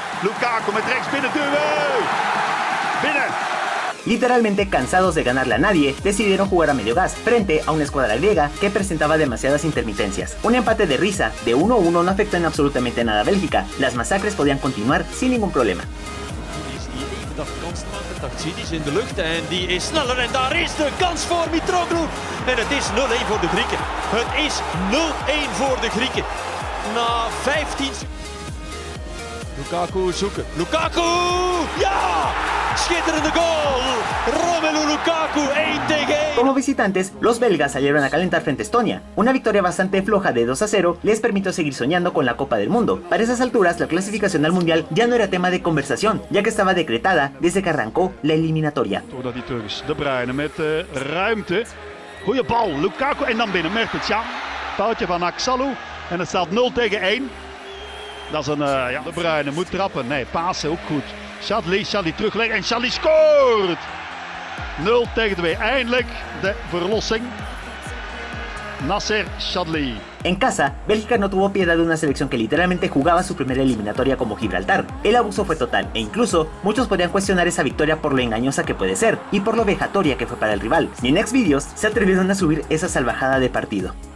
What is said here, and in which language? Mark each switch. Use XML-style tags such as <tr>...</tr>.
<nl>Lukaku met rechts binnen duwen. Binnen.</nl> <es>Literalmente cansados de ganarle a nadie, decidieron jugar a medio gas frente a una escuadra griega que presentaba demasiadas intermitencias. Un empate de risa de 1-1 no afectó en absolutamente nada a Bélgica. Las masacres podían continuar sin ningún problema.</es> <nl>Ik dacht kansmaker, Taksidis in de lucht en die is sneller. En daar is de kans voor Mitroglou. En het is 0-1 voor de Grieken. Het is 0-1 voor de Grieken. Na 15 seconden. Lukaku zoeken. Lukaku! Ja! Schitterende goal! Romelu Lukaku 1-1.</nl> <es>Como visitantes, los belgas salieron a calentar frente a Estonia. Una victoria bastante floja de 2-0 les permitió seguir soñando con la Copa del Mundo. Para esas alturas, la clasificación al Mundial ya no era tema de conversación, ya que estaba decretada desde que arrancó la eliminatoria.</es> <nl>De Bruyne met ruimte. Goeie bal, Lukaku. En dan binnen, Mertens. Ja, foutje van Aksalu. En het staat 0-1. Dat is een. De Bruyne moet trappen. Nee, pasen ook goed. Chadli terugleggen. En Chadli scoort! 0-2, eindelijk de verlossing. Nasser Chadli.</nl> <es>En casa, Bélgica no tuvo piedad de una selección que literalmente jugaba su primera eliminatoria como Gibraltar. El abuso fue total, e incluso, muchos podían cuestionar esa victoria por lo engañosa que puede ser, y por lo vejatoria que fue para el rival. Ni en Xvideos se atrevieron a subir esa salvajada de partido.</es>